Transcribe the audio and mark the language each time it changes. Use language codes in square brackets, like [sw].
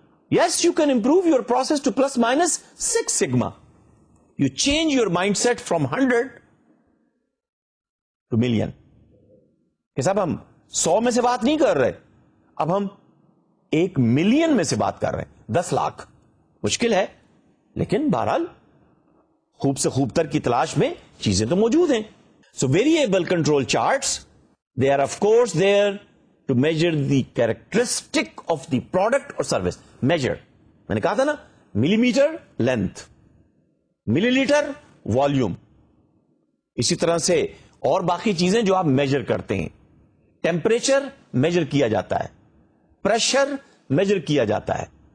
[en] Yes you can improve your process to plus minus 6 sigma, you change your mindset from 100 to million. [ur] کہ صاحب ہم 100 میں سے بات نہیں کر رہے, اب ہم ایک ملین میں سے بات کر رہے ہیں. 10 لاکھ مشکل ہے لیکن بہرحال خوب سے خوب تر کی تلاش میں چیزیں تو موجود ہیں. [en] So variable control charts they are of course there to measure the characteristic of the product اور service. [ur] میجر میں نے کہا تھا نا, ملی میٹر لینتھ, ملی لیٹر والیوم, اسی طرح سے اور باقی چیزیں جو آپ میجر کرتے ہیں, ٹیمپریچر میجر کیا جاتا ہے, پریشر میجر کیا جاتا ہے.